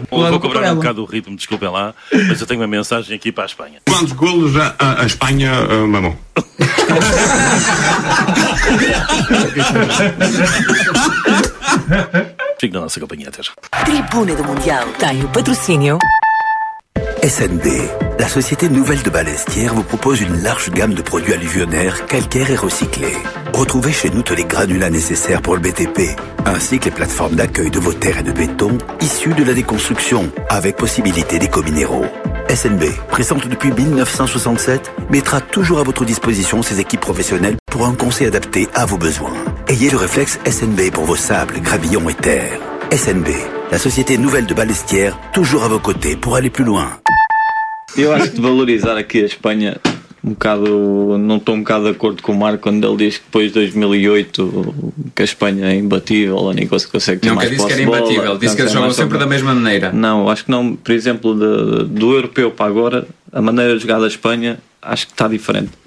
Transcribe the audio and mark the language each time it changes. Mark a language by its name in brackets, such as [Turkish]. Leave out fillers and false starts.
[Portuguese] Vou cobrar um bocado o ritmo, desculpem lá, mas eu tenho uma mensagem aqui para a Espanha. Quantos golos a Espanha mamou? Fico na nossa companhia até já. Tribuna do Mundial tem o patrocínio [French] SND. La société Nouvelle de Balestière vous propose une large gamme de produits alluvionnaires, calcaires et recyclés. Retrouvez chez nous tous les granulats nécessaires pour le BTP, ainsi que les plateformes d'accueil de vos terres et de béton issues de la déconstruction, avec possibilité d'éco-minéraux. SNB, présente depuis 1967, mettra toujours à votre disposition ses équipes professionnelles pour un conseil adapté à vos besoins. Ayez le réflexe SNB pour vos sables, gravillons et terres. SNB, la société Nouvelle de Balestière, toujours à vos côtés pour aller plus loin. [Portuguese] Eu acho que de valorizar aqui a Espanha, um bocado, não estou um bocado de acordo com o Marco quando ele diz que depois de 2008 que a Espanha é imbatível, a Nico se consegue ter mais posse de bola. Nunca disse que era imbatível, disse que eles jogam sempre da mesma maneira. Não, acho que não, por exemplo, do europeu para agora, a maneira de jogar da Espanha, acho que está diferente.